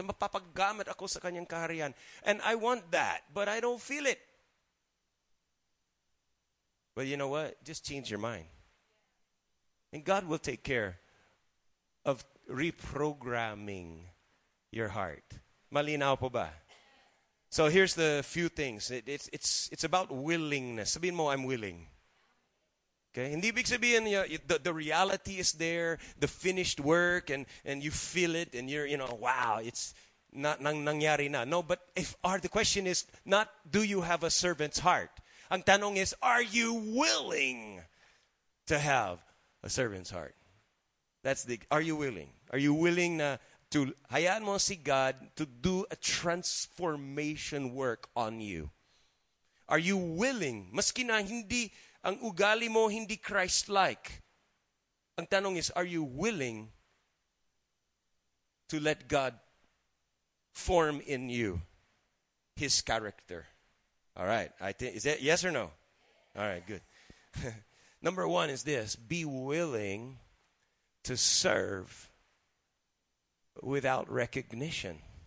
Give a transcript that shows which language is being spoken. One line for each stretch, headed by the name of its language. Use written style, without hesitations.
Filipino: Mapapagamit ako sa kanyang kaharian.
English: And I want that, but I don't feel it. But you know what? Just change your mind. And God will take care of reprogramming your heart.
Filipino: Malinaw po ba?
English: So here's the few things. It's about willingness.
Filipino: Sabihin mo,
English: I'm willing. Okay?
Filipino: Hindi ibig sabihin,
English: the reality is there, the finished work, and you feel it, and you're, you know, wow, it's not
Filipino: nangyari na.
English: No, but the question is not, do you have a servant's heart?
Filipino: Ang tanong
English: is, are you willing to have a servant's heart? Are you willing? Are you willing na to
Filipino: hayaan mo si
English: God to do a transformation work on you? Are you willing?
Filipino: Maski na hindi ang ugali mo hindi Christ-like. Ang tanong
English: is, are you willing to let God form in you His character? All right. Is that yes or no? All right, good. Number one is this: be willing to serve without recognition.